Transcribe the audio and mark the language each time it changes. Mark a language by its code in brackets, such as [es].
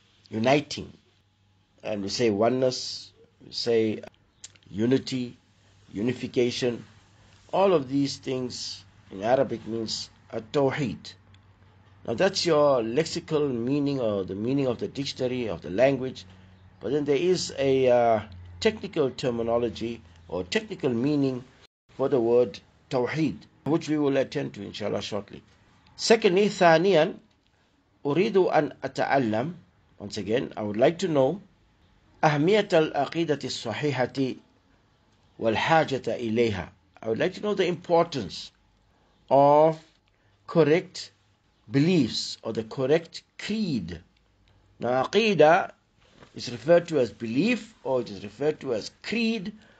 [en] Uniting, and we say oneness, we say unity, unification, all of these things in Arabic means a tawheed. Now that's your lexical meaning or the meaning of the dictionary of the language, but then there is a technical terminology or technical meaning for the word tawheed, which we will attend to inshallah shortly. Secondly, [ar] ثانياً أريد أن أتعلم. [en] Once again, I would like to know [ar] أهمية العقيدة الصحيحة والحاجة إليها. [en] I would like to know the importance of correct beliefs or the correct creed. Now, Aqeedah is referred to as belief or it is referred to as creed.